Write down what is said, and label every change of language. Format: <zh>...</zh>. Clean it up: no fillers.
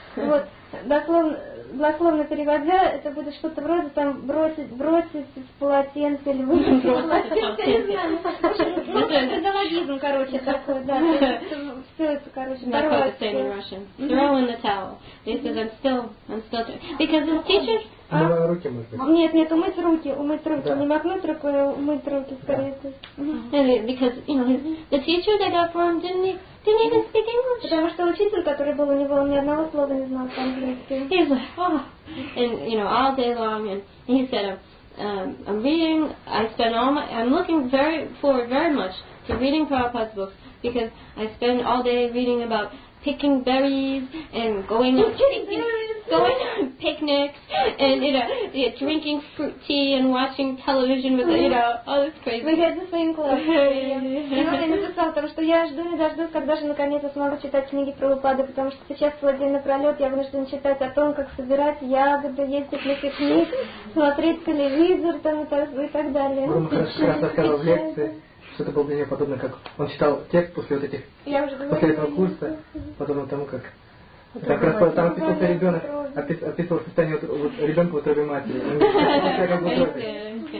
<ru>Вот, дословно. Дословно переводя, это будет что-то вроде там бросить с полотенца или выбросить полотенце, не знаю. Ну, педагогизм, короче, такой, да. Все это, короче, порвать.</ru> <en>Throw in the towel. He says, I'm still... Because his teacher...</en> <ru>Руки мыть. Нет, умыть руки. Не махнуть рукой, а умыть руки, скорее всего.</ru> <en>Because, you know, the teacher they got for him didn't... didn't even speak English.</en> <ru>Потому что учитель, который был у него, он ни одного слова не знал по-английски.</ru> <en>He was like, oh, and you know, all day long, and he said, I'm reading. I spend all my. I'm looking very forward very much to reading Prabhupada's books because I spend all day reading about picking berries and going on picnics and drinking fruit tea and watching television with all this crazy.</en> <ru>Мы ходим с моим классом. И он мне написал, потому что я жду не дождусь, когда же наконец-то смогу читать книги Прабхупады, потому что сейчас целый день напролет я вынуждена читать о том, как собирать ягоды, ездить на пикник, смотреть телевизор там и так далее. Он как раз рассказывал в лекции. Что-то было для меня подобно, как он читал текст после вот этих, после этого курса, подобно тому, как там описывался ребенок, описывал состояние вот ребенка в утробе матери.</ru>